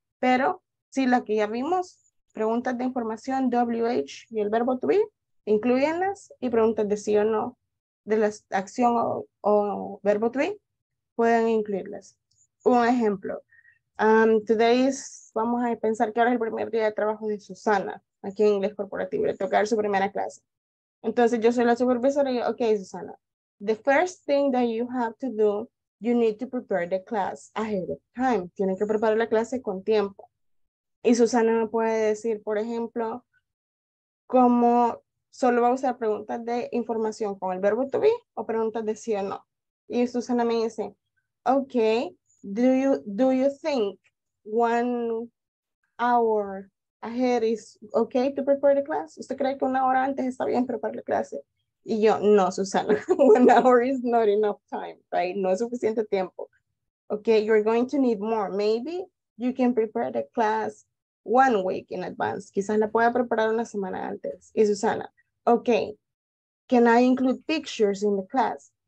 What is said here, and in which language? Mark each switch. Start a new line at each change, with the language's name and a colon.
Spanish: Pero sí, la que ya vimos, preguntas de información, WH y el verbo to be, incluyenlas, y preguntas de sí o no, de la acción o verbo to be, pueden incluirlas. Un ejemplo.
English: Today is,
Spanish: vamos a pensar que ahora es el primer día de trabajo de Susana, aquí en inglés corporativo, le toca dar su primera clase. Entonces yo soy la supervisora y yo,
English: ok, Susana, the first thing that you have to do, you need to prepare the class ahead of time.
Spanish: Tienen que preparar la clase con tiempo. Y Susana me puede decir, por ejemplo, cómo solo va a usar preguntas de información con el verbo to be o preguntas de sí o no. Y Susana me dice,
English: okay, do you think 1 hour ahead is okay to prepare the class?
Spanish: ¿Usted cree que una hora antes está bien preparar la clase? Y yo, no,
English: Susana, 1 hour is not enough time, right?
Spanish: No es suficiente tiempo.
English: Okay, you're going to need more. Maybe you can prepare the class 1 week in advance.
Spanish: Quizás la pueda preparar una semana antes. Y Susana, okay,
English: can I include pictures in the class?